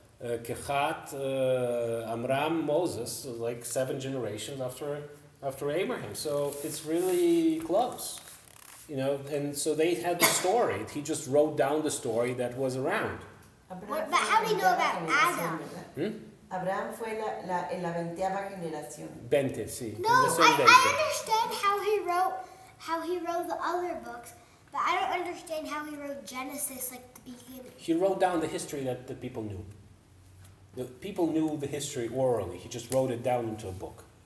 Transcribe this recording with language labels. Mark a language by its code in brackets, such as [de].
[en] Kehat, Amram, Moses, like seven generations after Abraham. So it's really close, you know. And so they had the story. He just wrote down the story that was around. But how do we know about Adam? [es] Abraham fue la veinteava generación. Veinte, sí. [en] No, I understand how he wrote the other books. But I don't understand how he wrote Genesis, like the beginning. He wrote down the history that the people knew. The people knew the history orally. He just wrote it down into a book.